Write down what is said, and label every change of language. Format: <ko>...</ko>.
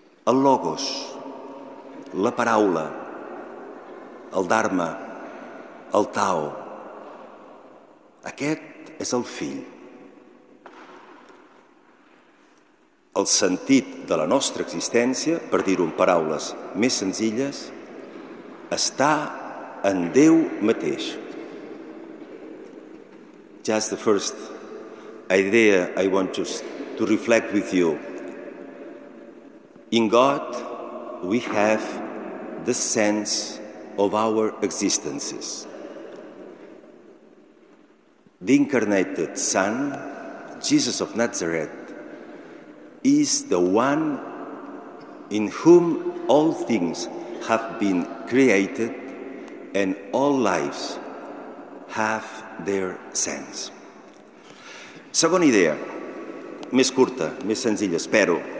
<ca>El Logos, la paraula, el Dharma, el Tao, aquest és el Fill. El sentit de la nostra existència, per dir-ho en paraules més senzilles, està en Déu mateix.</ca> <en>Just the first idea I want to reflect with you. In God, we have the sense of our existences. The incarnated Son, Jesus of Nazareth, is the one in whom all things have been created and all lives have their sense.</en> <ca>Segona idea, més curta, més senzilla, espero.</ca>